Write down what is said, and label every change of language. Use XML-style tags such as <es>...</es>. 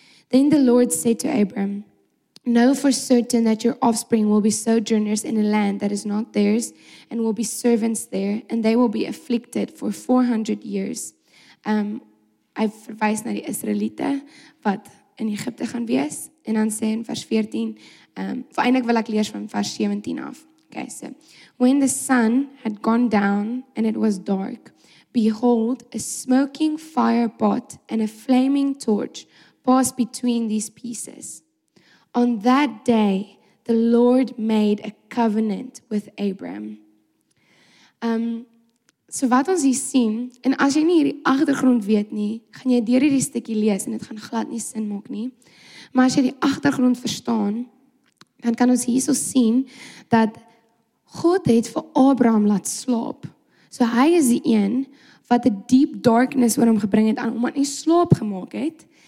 <en>Then the Lord said to Abram, know for certain that your offspring will be sojourners in a land that is not theirs, and will be servants there, and they will be afflicted for 400 years.</en> <af>Hy verwys na die Israeliete wat in Egipte gaan wees. En dan sê in vers 14, eindelijk wil ek lees van vers 17 af.</af> <en>Okay, so, when the sun had gone down and it was dark, behold, a smoking fire pot and a flaming torch passed between these pieces. On that day, the Lord made a covenant with Abraham.</en> <af>So wat ons hier sien, en as jy nie hierdie agtergrond weet nie, gaan jy deur hierdie stukkie lees en dit gaan glad nie sin maak nie. Maar as jy die agtergrond verstaan, dan kan ons hierso sien dat God het vir Abraham laat slaap. So hy is die een wat 'n</af> <en>deep darkness</en> <af>oor hom gebring het en hom aan die slaap gemaak het.</af>